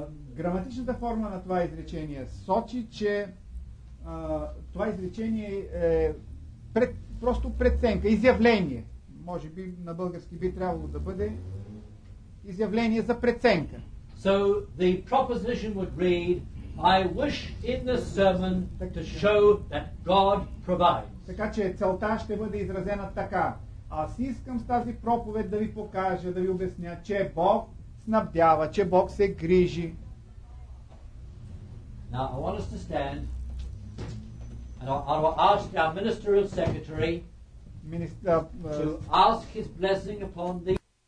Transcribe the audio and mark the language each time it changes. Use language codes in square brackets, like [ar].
[bg] Граматичната форма на това изречение сочи, че това изречение е просто преценка, изявление. Може би на български би трябвало да бъде изявление за преценка. [en] So the proposition would read, I wish in the sermon to show that God provides. [bg] Така че целта ще бъде изразена така. Аз искам с тази проповед да ви покажа, да ви обясня, че Бог снабдява, че Бог се грижи. [en] Now I want us to stand and I will ask our ministerial secretary to ask his blessing upon the